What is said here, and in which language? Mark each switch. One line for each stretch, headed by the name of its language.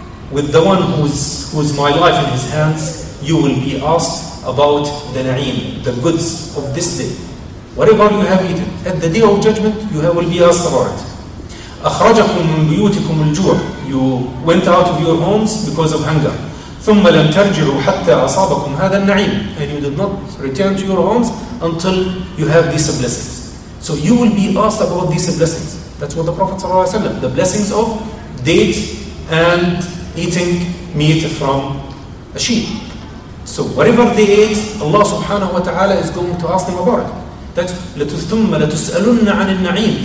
English: With the one who's my life in his hands, you will be asked about the na'im, the goods of this day. Whatever you have eaten, at the day of judgment, you will be asked about it.
Arabic: أخرجكم من بيوتكم الجوع.
English: You went out of your homes because of hunger.
Arabic: ثم لم ترجعوا حتى أصابكم هذا النعيم.
English: And you did not return to your homes until you have these blessings. So you will be asked about these blessings. That's what the Prophet
Arabic: صلى الله عليه وسلم,
English: the blessings of date and eating meat from a sheep. So whatever they ate, Allah subhanahu wa ta'ala is going to ask them about it.
Arabic: That ثم لتسألن عن النعيم.